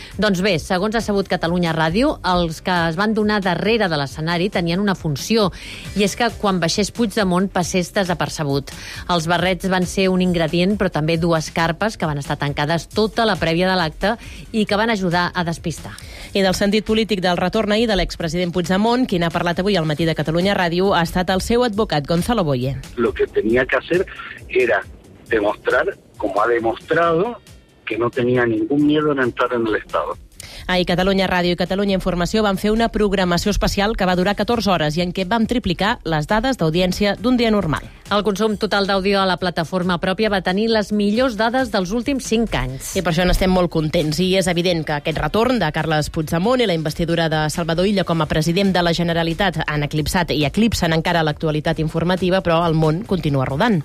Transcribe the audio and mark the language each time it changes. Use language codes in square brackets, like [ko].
[ca] Doncs bé, segons ha sabut Catalunya Ràdio, els que es van donar darrere de l'escenari tenien una funció, i és que quan baixés Puigdemont passés desapercebut. Els barrets van ser un ingredient, però també dues carpes que van estar tancades tota la prèvia de l'acte i que van ajudar a despistar. I del sentit polític del retorn ahir de l'expresident Puigdemont, qui n'ha parlat avui al matí de Catalunya Ràdio, ha estat el seu advocat, Gonzalo Boye. [es] Lo que tenía que hacer era demostrar, como ha demostrado, que no tenía ningún miedo en entrar en el Estado. [ca] Ahir Catalunya Ràdio i Catalunya Informació van fer una programació especial que va durar 14 hores i en què vam triplicar les dades d'audiència d'un dia normal. El consum total d'àudio a la plataforma pròpia va tenir les millors dades dels últims 5 anys. I per això n'estem molt contents. I és evident que aquest retorn de Carles Puigdemont i la investidura de Salvador Illa com a president de la Generalitat han eclipsat i eclipsen encara l'actualitat informativa, però el món continua rodant.